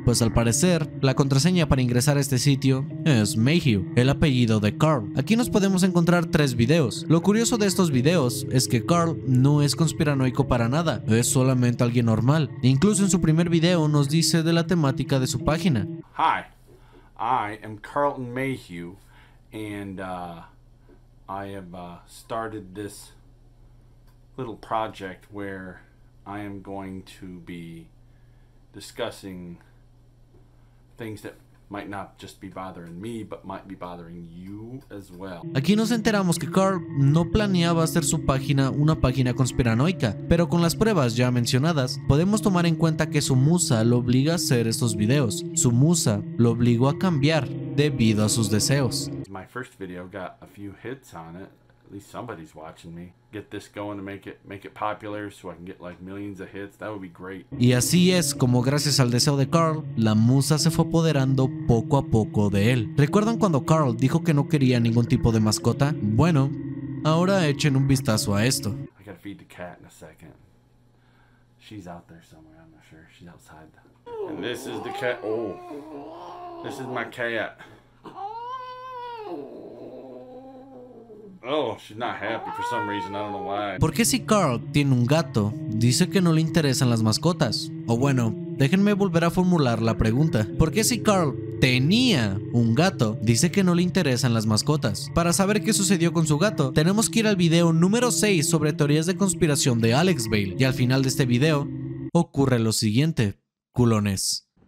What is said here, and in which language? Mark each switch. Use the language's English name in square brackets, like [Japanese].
[Spanish] Pues al parecer, la contraseña para ingresar a este sitio es Mayhew, el apellido de Carl. Aquí nos podemos encontrar tres videos. Lo curioso de estos videos es que Carl no es conspiranoico para nada, es solamente alguien normal. Incluso en su primer video nos dice de la temática de su página. [English] Hi, I am Carlton Mayhew, and I have started this little project where I am going to be discussing things that might not just be bothering me, but might be bothering you as well. [Spanish] Aquí nos enteramos que Carl no planeaba hacer su página una página conspiranoica, pero con las pruebas ya mencionadas, podemos tomar en cuenta que su musa lo obliga a hacer estos videos. Su musa lo obligó a cambiar debido a sus deseos. [English] My first video got a few hits on it. At least somebody's watching me. Get this going to make it popular so I can get like millions of hits. That would be great. [Spanish] Y así es como, gracias al deseo de Carl, la musa se fue apoderando poco a poco de él. ¿Recuerdan cuando Carl dijo que no quería ningún tipo de mascota? Bueno, ahora echen un vistazo a esto. [English] I gotta feed the cat in a second. She's out there somewhere, I'm not sure. She's outside. And this is the cat. Oh. This is my cat. Oh, she's not happy for some reason, I don't know why. [Spanish] ¿Por qué si Carl tiene un gato, dice que no le interesan las mascotas? O bueno, déjenme volver a formular la pregunta. ¿Por qué si Carl tenía un gato, dice que no le interesan las mascotas? Para saber qué sucedió con su gato, tenemos que ir al video número 6 sobre teorías de conspiración de Alex Vale. Y al final de este video, ocurre lo siguiente, culones.